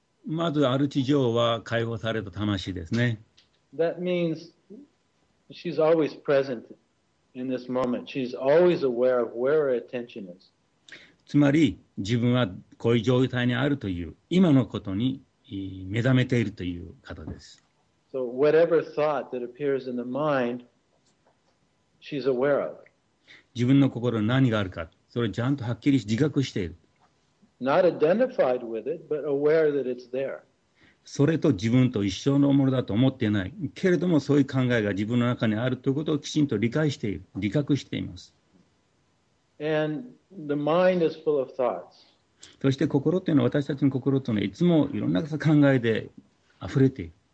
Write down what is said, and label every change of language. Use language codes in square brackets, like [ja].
[ja] まずアルチ女王は解放された魂ですね。 [en] That means she's always present in this moment. She's always aware of where her attention is. [ja] つまり自分はこういう状態にあるという今のことに目覚めているという方です。 [en] So whatever thought that appears in the mind, she's aware of. [ja] 自分の心に何があるか、それをちゃんとはっきり自覚している。 [en] Not identified with it, but aware that it's there. [ja] それと自分と一緒のものだと思っていない。けれどもそういう考えが自分の中にあるということをきちんと理解している、理覚しています。 [en] And the mind is full of thoughts. [ja] そして心というのは私たちの心というのはいつもいろんな考えで溢れている。